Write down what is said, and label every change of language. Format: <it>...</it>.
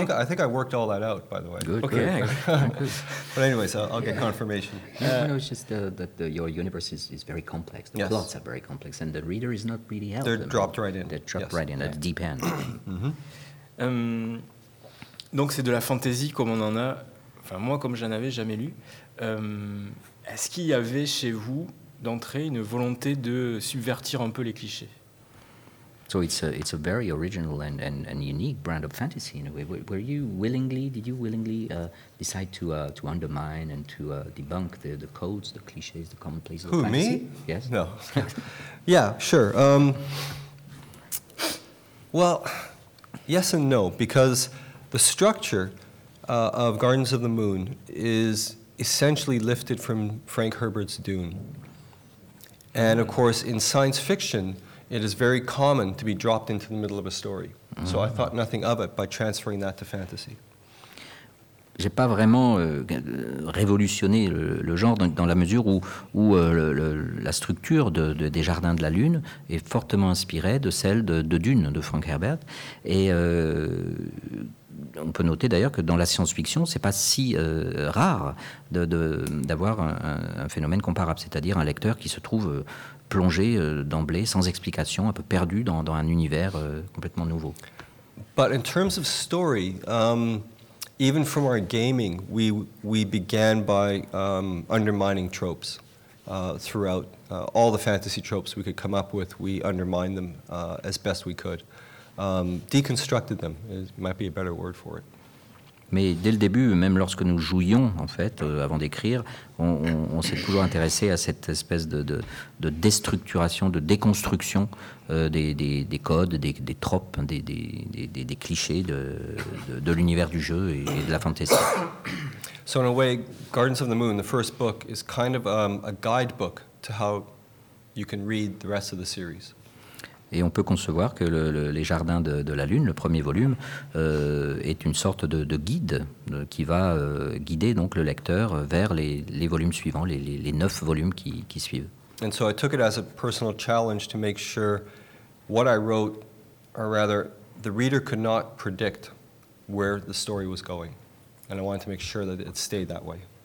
<en>I think I worked all that out, by the way. Good, okay. But anyway, so I'll get confirmation. No, it's just that your universe is very complex. The plots are very complex, and the reader is not really helped. They're dropped right in. At the deep end.</en> <fr>Donc c'est de la fantasy comme on en a. Enfin moi, comme j'en avais jamais lu. Est-ce qu'il y avait chez vous d'entrée une volonté de subvertir un peu les clichés?</fr> <en>So it's a very original and unique brand of fantasy in a way. Did you willingly decide to undermine and to debunk the codes, the clichés, the commonplaces of fantasy? Me? Yes. No. Yeah, sure. Well, yes and no, because the structure of Gardens of the Moon is essentially lifted from Frank Herbert's Dune. And of course, in science fiction, it is very common to be dropped into the middle of a story. Mm-hmm. So I thought nothing of it by transferring that to fantasy.</en> <fr>J'ai pas vraiment révolutionné le genre dans la mesure où la structure des Jardins de la Lune est fortement inspirée de celle de Dune, de Frank Herbert. Et on peut noter d'ailleurs que dans la science-fiction, c'est pas si rare d'avoir un phénomène comparable, c'est-à-dire un lecteur qui se trouve... plongé d'emblée, sans explication, un peu perdu dans un univers complètement nouveau.</fr> <en>But in terms of story, even from our gaming, we began by undermining tropes throughout all the fantasy tropes we could come up with. We undermined them as best we could, deconstructed them. It might be a better word for it.</en> <fr>Mais dès le début, même lorsque nous jouions, en fait, avant d'écrire, on s'est toujours intéressé à cette espèce de déstructuration, de déconstruction des codes, des tropes, des clichés de l'univers du jeu et de la fantasy.</fr> <en>So in a way, Gardens of the Moon, the first book, is kind of a guidebook to how you can read the rest of the series.</en> <fr>Et on peut concevoir que les Jardins de la Lune, le premier volume, est une sorte de guide qui va guider donc le lecteur vers les volumes suivants, les neuf volumes qui suivent.</fr> <en>And so I took it as a personal challenge to make sure what I wrote, or rather, the reader could not predict where the story was going. And I wanted to make sure that it stayed that way.</en>